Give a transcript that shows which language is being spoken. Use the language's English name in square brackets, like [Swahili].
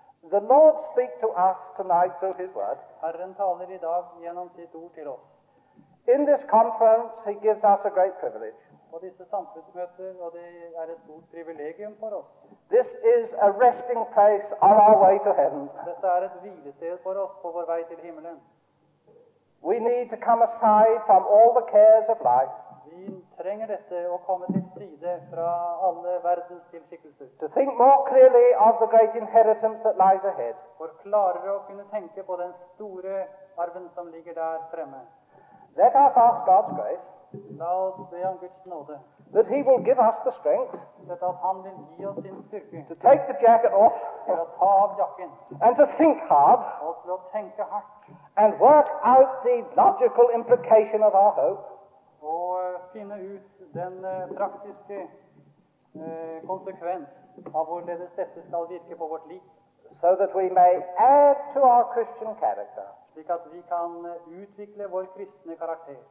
[English] The Lord speak to us tonight through His word. [Norwegian] Herren taler I dag gjennom sitt ord til oss. [English] In this conference, He gives us a great privilege. [Norwegian] På disse samfunnsmøter, og det et stort privilegium for oss. [English] This is a resting place on our way to heaven. [Norwegian] Dette et hvilested for oss på vår vei til himmelen. [English] We need to come aside from all the cares of life. [Norwegian] Vi trenger dette å komme til side fra alle verdens tilskikkelser. [English] To think more clearly of the great inheritance that lies ahead. [Norwegian] For klarere å kunne tenke på den store arven som ligger der fremme. [English] Let us ask God's grace. [Norwegian] La oss be om Guds nåde. [English] That He will give us the strength. [Norwegian] Let at han vil gi oss sin styrke. [English] To take the jacket off. [Norwegian] Til å ta av jakken. [English] And to think hard. [Norwegian] Og til å tenke hardt. [English] And work out the logical implication of our hope. [Norwegian] Og finne ut den praktiske konsekvens av hvorledes dette skal virke på vårt liv. [English] So that we may add to our Christian character. [Norwegian] Slik at vi kan utvikle vår kristne karakter.